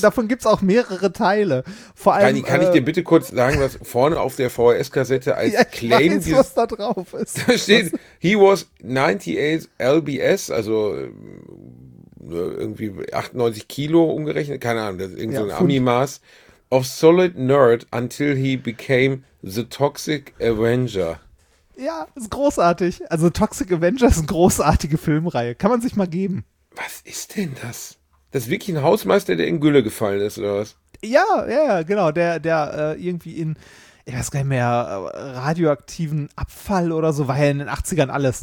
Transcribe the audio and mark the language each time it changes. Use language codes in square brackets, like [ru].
[de] Davon gibt es auch mehrere Teile. Vor allem. Reini, kann ich dir bitte kurz sagen, was vorne auf der VHS-Kassette als Claim ist? Was da drauf ist. Da steht, [en] he was 98 LBS, [de] also irgendwie 98 Kilo umgerechnet. Keine Ahnung, das ist irgendwie so ein Ami-Maß. [en] Of solid nerd until he became the Toxic Avenger. [de] Ja, ist großartig. Also Toxic Avenger ist eine großartige Filmreihe. Kann man sich mal geben. Was ist denn das? Das ist wirklich ein Hausmeister, der in Gülle gefallen ist, oder was? Ja, genau. Der irgendwie in, ich weiß gar nicht mehr, radioaktiven Abfall oder so, war ja in den 80ern alles.